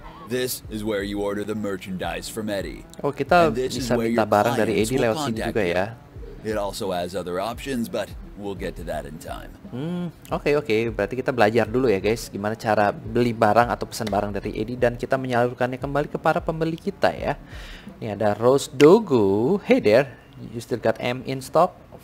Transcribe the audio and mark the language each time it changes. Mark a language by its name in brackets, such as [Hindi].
[English] This is where you order the merchandise from Eddie. [Indonesian] Oh, kita bisa minta barang dari Eddie lewat sini juga ya. [English] It also has other options, but we'll get to that in time. [Indonesian] Okay. Berarti kita belajar dulu ya, guys. Gimana cara beli barang atau pesan barang dari Eddie dan kita menyalurkannya kembali ke para pembeli kita ya. Ini ada Rose Dogu. [English] Hey there, you still got M in stock?